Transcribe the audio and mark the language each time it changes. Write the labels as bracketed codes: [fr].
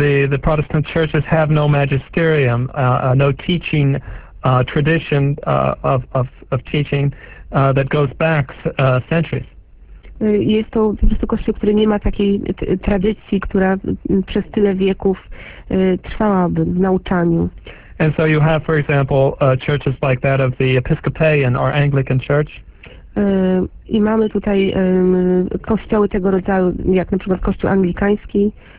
[en] The Protestant churches have no magisterium, no teaching tradition of teaching that goes back centuries. [pl] Jest to po prostu kościół, który nie ma takiej tradycji, która przez tyle wieków trwałaby w nauczaniu. [en] And so you have, for example, churches like that of the Episcopalian or Anglican Church. [pl] I mamy tutaj kościoły tego rodzaju, jak na przykład kościół anglikański.